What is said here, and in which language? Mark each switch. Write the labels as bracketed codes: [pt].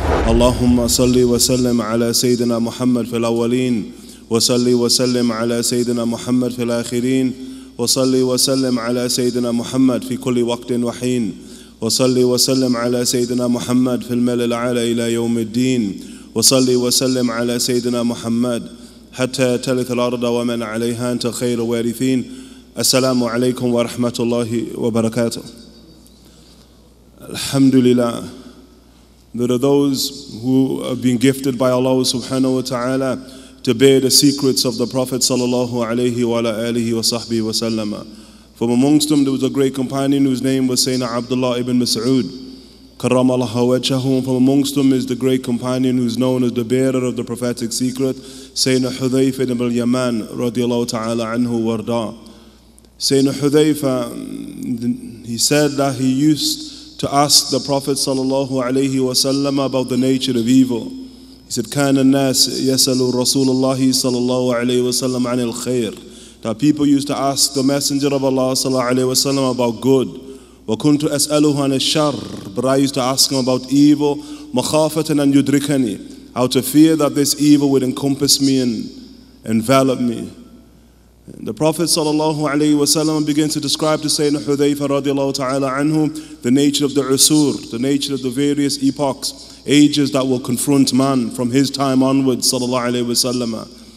[ar] اللهم صلِّ وسلِّم على سيدنا محمد في الأولين، وصلِّ وسلِّم على سيدنا محمد في الآخرين، وصلِّ وسلِّم على سيدنا محمد في كل وقت وحين، وصلِّ وسلِّم على سيدنا محمد في الملأ الأعلى إلى يوم الدين، وصلِّ وسلِّم على سيدنا محمد حتى تلث الأرض ومن عليها، أنت خير وارثين. السلام عليكم ورحمة الله وبركاته. الحمد لله. [en] There are those who have been gifted by Allah subhanahu wa ta'ala to bear the secrets of the Prophet sallallahu alayhi wa alihi wa sahbihi wa sallama. From amongst them, there was a great companion whose name was Sayyidina Abdullah ibn Mas'ud. Karramallahu wajhahu. From amongst them is the great companion who is known as the bearer of the prophetic secret, Sayyidina Hudhayfa ibn al-Yaman radiallahu ta'ala anhu warda. Sayyidina Hudhayfa, he said that he used to ask the Prophet sallallahu alayhi wa sallam about the nature of evil. He said, [ar] كَانَ النَّاسِ يَسَلُوا رَسُولَ اللَّهِ صَلَى اللَّهُ عَلَيْهِ وَسَلَّمَ عَنِ الْخَيْرِ. [en] That people used to ask the Messenger of Allah sallallahu alayhi wa sallam about good. [ar] وَكُنْتُ أَسْأَلُهُ عَنِ الشَّرِّ. [en] But I used to ask him about evil. [ar] مَخَافَةً أَنْ يُدْرِكَنِي. [en] Out of fear that this evil would encompass me and envelop me. The Prophet sallallahu alayhi wa sallam begins to describe to Sayyidina Hudhayfa radiallahu ta'ala anhu the nature of the usur, the nature of the various epochs, ages that will confront man from his time onwards sallallahu alayhi wa sallam.